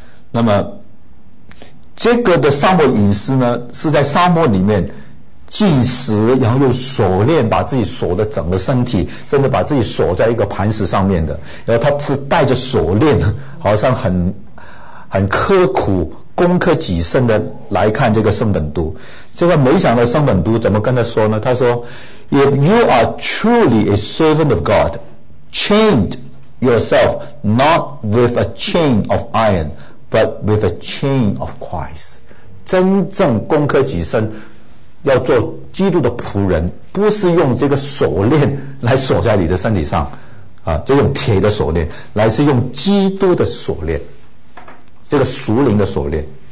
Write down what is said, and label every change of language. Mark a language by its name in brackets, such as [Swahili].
[Chinese] 那么这个的沙漠隐士呢，是在沙漠里面进食，然后用锁链把自己锁的整个身体，甚至把自己锁在一个磐石上面的。然后他是带着锁链，好像很刻苦攻克己身的来看这个圣本笃。结果没想到圣本笃怎么跟他说呢，他说 [English] If you are truly a servant of God, chain yourself not with a chain of iron but with a chain of Christ。 [Chinese] 真正攻克己身要做基督的仆人，不是用这个锁链来锁在你的身体上啊，这种铁的锁链，乃是用基督的锁链，这个属灵的锁链。